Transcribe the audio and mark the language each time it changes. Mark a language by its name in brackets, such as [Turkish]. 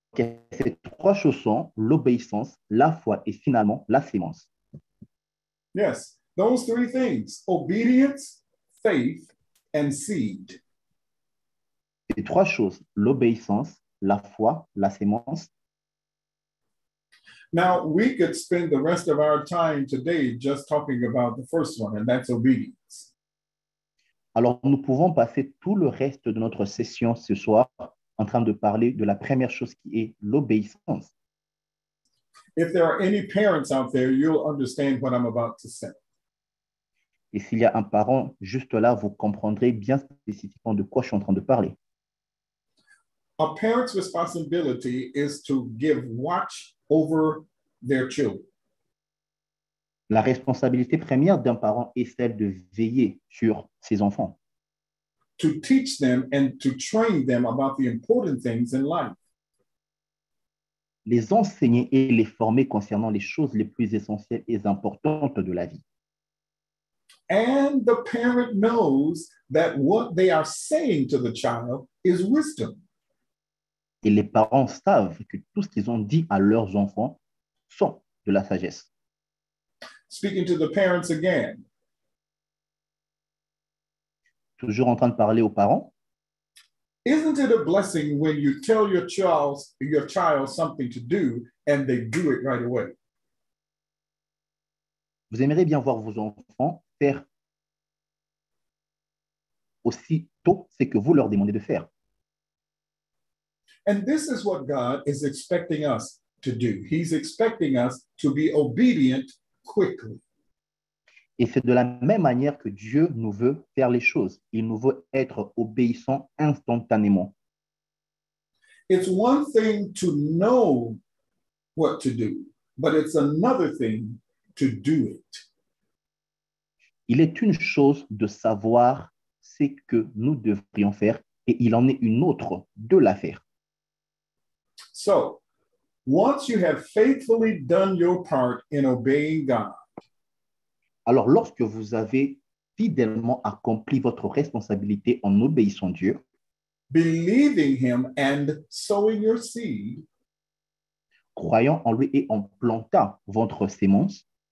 [French] Ces trois choses sont l'obéissance, la foi et finalement, la semence. [English] Yes. Those three things. Obedience, faith and seed. [French] Ces trois choses, l'obéissance, la foi, la semence. [English] Now, we could spend the rest of our time today just talking about the first one, and that's obedience. [French] Alors, nous pouvons passer tout le reste de notre session ce soir en train de parler de la première chose qui est l'obéissance. [English] If there are any parents out there, you'll understand what I'm about to say. [French] Et s'il y a un parent juste là, vous comprendrez bien spécifiquement de quoi je suis en train de parler. [English] A parent's responsibility is to give watch over their children. [French] La responsabilité première d'un parent est celle de veiller sur ses enfants. [English] to teach them and to train them about the important things in life. [French] Les enseigner et les former concernant les choses les plus essentielles et importantes de la vie. [English] And the parent knows that what they are saying to the child is wisdom. [French] Et les parents savent que tout ce qu'ils ont dit à leurs enfants sont de la sagesse. [English] Speaking to the parents again. [French] Toujours en train de parler aux parents. [English] Isn't it a blessing when you tell your child something to do and they do it right away? [French] Vous aimeriez bien voir vos enfants faire aussi tôt ce que vous leur demandez de faire. [English] And this is what God is expecting us to do. He's expecting us to be obedient quickly. [French] Et c'est de la même manière que Dieu nous veut faire les choses. Il nous veut être obéissant instantanément. [English] It's one thing to know what to do, but it's another thing to do it. [French] Il est une chose de savoir ce que nous devrions faire, et il en est une autre de la faire. [English] So, once you have faithfully done your part in obeying God, [French] alors, lorsque vous avez fidèlement accompli votre responsabilité en obéissant Dieu, [English] believing him and sowing your seed, [French] croyant en lui et en plantant votre semence,